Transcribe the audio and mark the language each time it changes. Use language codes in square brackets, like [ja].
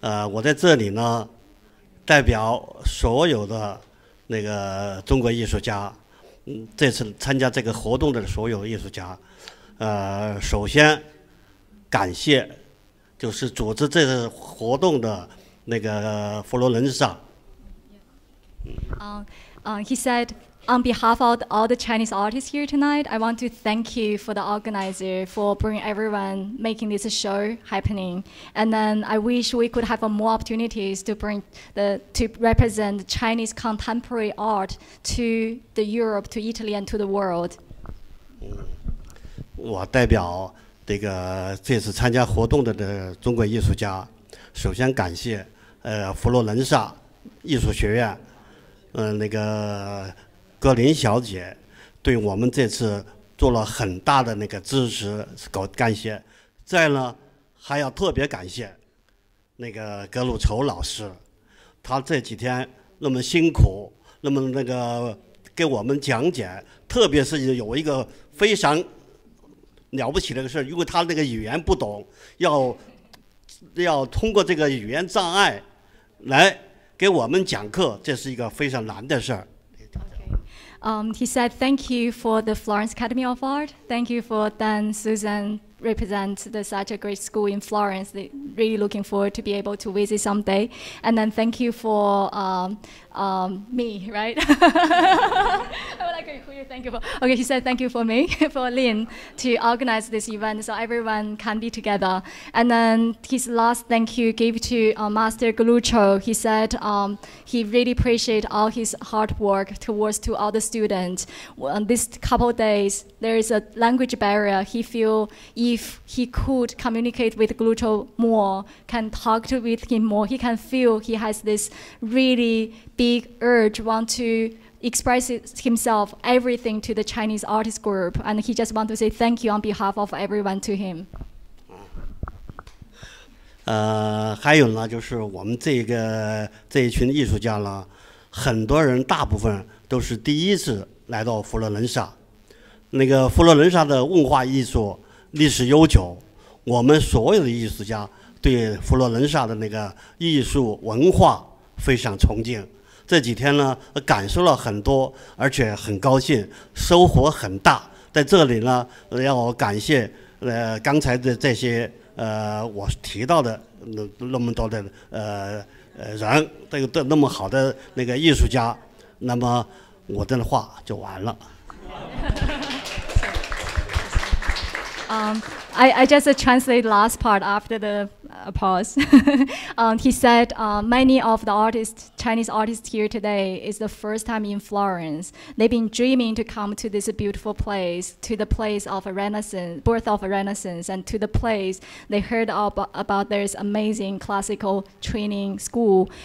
[zh] 我在这里呢，代表所有的那个中国艺术家，这次参加这个活动的所有艺术家，首先感谢就是组织这个活动的那个佛罗伦萨。 [en] He said. On behalf of all the Chinese artists here tonight, I want to thank you for the organizer for bringing everyone, making this show happening. And then I wish we could have more opportunities to bring to represent Chinese contemporary art to the Europe, to Italy, and to the world. [zh] 我代表这个这次参加活动的中国艺术家，首先感谢佛罗伦萨艺术学院，那个。格林小姐对我们这次做了很大的那个支持，感谢。再呢，还要特别感谢那个格鲁筹老师，他这几天那么辛苦，那么那个给我们讲解，特别是有一个非常了不起的事，因为他那个语言不懂，要通过这个语言障碍来给我们讲课，这是一个非常难的事。 [en] He said thank you for the Florence Academy of Art. Thank you for Dan, Susan, represent the, such a great school in Florence. Really looking forward to be able to visit someday. And then thank you for me, right? I would like to hear you thank you for. Okay, he said thank you for me, for Lin, to organize this event so everyone can be together. And then his last thank you gave to Master Golucho. He said he really appreciate all his hard work towards to all the students. Well, this couple of days, there is a language barrier. He feel if he could communicate with Golucho more, can talk to with him more, he can feel he has this really big urge, want to express himself, everything to the Chinese artist group, and he just want to say thank you on behalf of everyone to him. [zh] 还有呢，就是我们这一群艺术家呢，很多人大部分都是第一次来到佛罗伦萨。那个佛罗伦萨的文化艺术历史悠久，我们所有的艺术家对佛罗伦萨的那个艺术文化非常崇敬。这几天呢，感受了很多，而且很高兴，收获很大。在这里呢，要感谢刚才的这些我提到的那么多的人，都那么好的那个艺术家，那么我的话就完了。 [en] I just translate last part after the pause. he said, many of the artists, Chinese artists here today is the first time in Florence. They've been dreaming to come to this beautiful place, to the place of a Renaissance, birth of a Renaissance, and to the place they heard about this amazing classical training school.